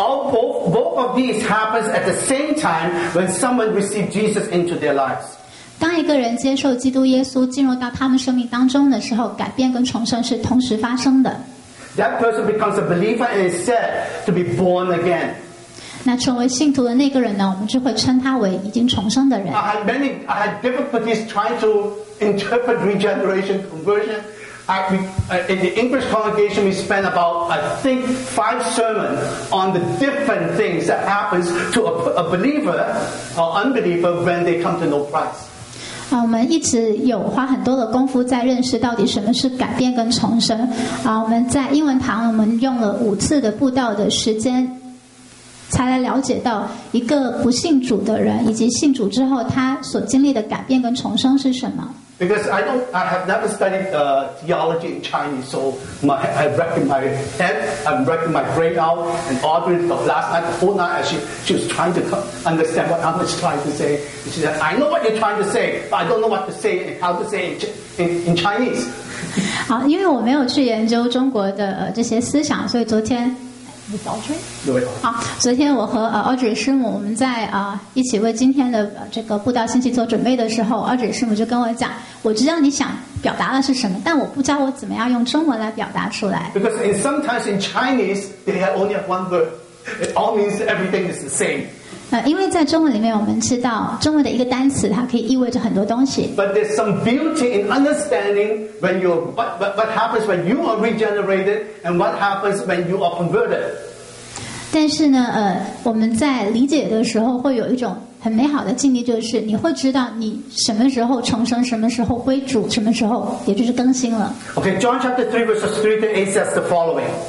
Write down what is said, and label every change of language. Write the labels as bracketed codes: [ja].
[en] Both of these happens at the same time when someone receives Jesus into their lives. [zh] 当一个人接受基督耶稣进入到他们生命当中的时候，改变跟重生是同时发生的。 [en] That person becomes a believer and is said to be born again. [zh] 那成为信徒的那个人呢，我们就会称他为已经重生的人。 [en] I had difficulties trying to interpret regeneration, conversion. In the English congregation, we spent about, I think, 5 sermons on the different things that happens to a believer or unbeliever when they come to know Christ. [zh] 我们一直有花很多的功夫在认识到底什么是改变跟重生。我们在英文堂我们用了5次的布道的时间才来了解到一个不信主的人以及信主之后他所经历的改变跟重生是什么。 [en] Because I have never studied theology in Chinese, so I wrecked my head, I wrecked my brain out, and Audrey, last night, the whole night, she was trying to understand what I was trying to say. And she said, I know what you're trying to say, but I don't know what to say and how to say in Chinese. [zh] 好，因为我没有去研究中国的这些思想，所以昨天 [en] With Audrey? [zh] 昨天我和 Audrey 师母我们在 一起为今天的 这个布道信息做准备的时候， Audrey 师母就跟我讲， 我知道你想表达的是什么， 但我不知道我怎么样用中文来表达出来。 [en] Because in, sometimes in Chinese they have only one word. It all means everything is the same. [zh] 因为在中文里面我们知道中文的一个单词它可以意味着很多东西。 [en] But there's some beauty in understanding when you, what happens when you are regenerated and what happens when you are converted. [zh] 但是呢, 我们在理解的时候会有一种很美好的境地，就是你会知道你什么时候重生， 什么时候归主， 什么时候也就是更新了。 [en] Okay, John chapter 3 verses 3 to 8 says the following.